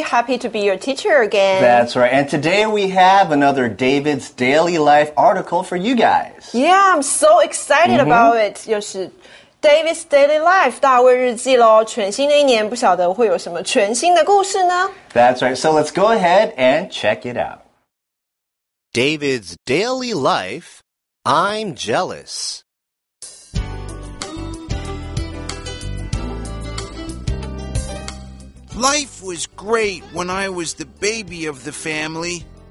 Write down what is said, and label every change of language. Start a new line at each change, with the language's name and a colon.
English: Happy to be your teacher again. That's right. And today we have another David's Daily Life article for you guys. Yeah, I'm so excited about it.
Chinese: 又是 David's Daily Life, 大卫日记咯。全新的一年，不晓得会有什么全新的故事呢？
English: That's right. So let's go ahead and check it out. David's Daily Life, I'm Jealous. Life was great when I was the baby of the family.